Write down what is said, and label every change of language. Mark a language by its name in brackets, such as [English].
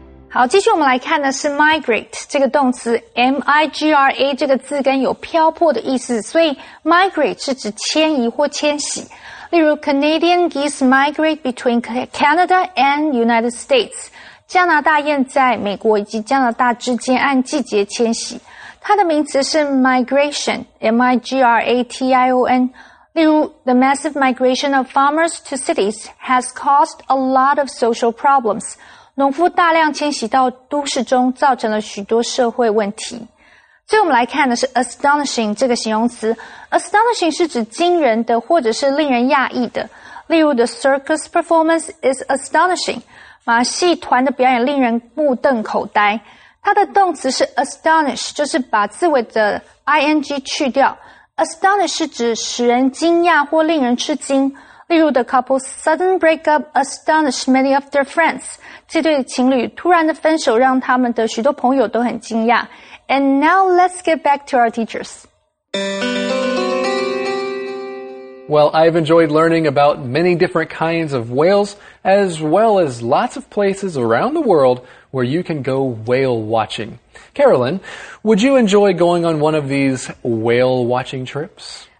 [Chinese] 好，继续我们来看的是 migrate 这个动词 ，M-I-G-R-A 这个字根有漂泊的意思，所以 migrate 是指迁移或迁徙。例如 [English] ，Canadian geese migrate between Canada and United States。 [Chinese] 加拿大雁在美国以及加拿大之间按季节迁徙。它的名词是 migration，M-I-G-R-A-T-I-O-N。例如 [English] ，the massive migration of farmers to cities has caused a lot of social problems。 [Chinese] 农夫大量迁徙到都市中，造成了许多社会问题。最后我们来看的是 astonishing 这个形容词 ，astonishing 是指惊人的或者是令人讶异的。例如 [English] ，the circus performance is astonishing。 [Chinese] 马戏团的表演令人目瞪口呆。它的动词是 astonish， 就是把字尾的 ing 去掉。 Astonish 是指使人惊讶或令人吃惊。例如 [English] ，the couple's sudden breakup astonished many of their friends。 [Chinese] 这对情侣突然的分手让他们的许多朋友都很惊讶。 [English] And now let's get back to our teachers. Well, I've enjoyed learning about many different kinds of whales, as well as lots of places around the world where you can go whale watching. Carolyn, would you enjoy going on one of these whale watching trips?